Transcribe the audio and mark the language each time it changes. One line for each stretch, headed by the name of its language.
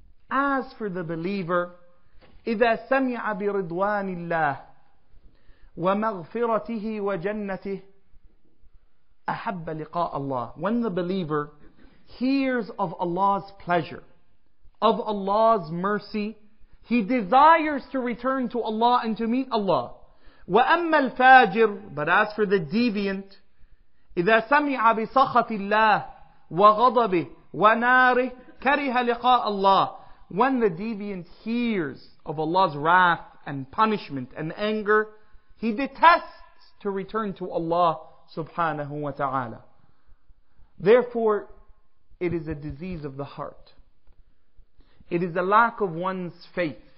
English: As for the believer,
Arabic: إِذَا سَمِعَ بِرِضْوَانِ اللَّهِ وَمَغْفِرَتِهِ وَجَنَّتِهِ أَحَبَّ لِقَاءَ اللَّهِ.
English: When the believer hears of Allah's pleasure, of Allah's mercy, he desires to return to Allah and to meet Allah.
Arabic: وَأَمَّا الْفَاجِرُ.
English: But as for the deviant,
Arabic: إِذَا سَمِعَ بِسَخَطِ اللَّهِ وَغَضَبِهِ وَنَارِهِ كَرِهَ لِقَاءَ اللَّهِ.
English: When the deviant hears of Allah's wrath and punishment and anger, he detests to return to Allah subhanahu wa ta'ala. Therefore, it is a disease of the heart. It is a lack of one's faith.